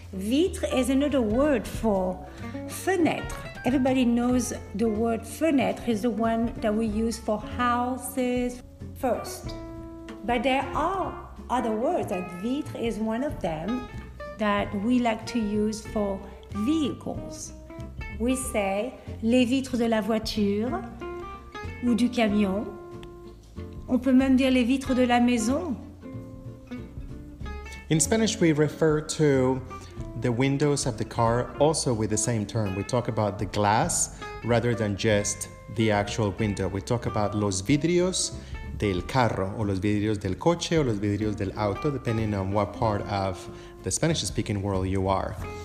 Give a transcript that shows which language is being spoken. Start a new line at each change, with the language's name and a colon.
English: Vitre is another word for fenêtre. Everybody knows the word fenêtre is the one that we use for houses first. But there are other words, like vitre is one of them that we like to use for vehicles.
French: We say les vitres de la voiture, ou du camion. On peut même dire les vitres de la maison.
English: In Spanish, we refer to the windows of the car also with the same term. We talk about the glass rather than just the actual window. We talk about
Spanish: los vidrios del carro, o los vidrios del coche, o los vidrios del auto,
English: depending on what part of the Spanish-speaking world you are.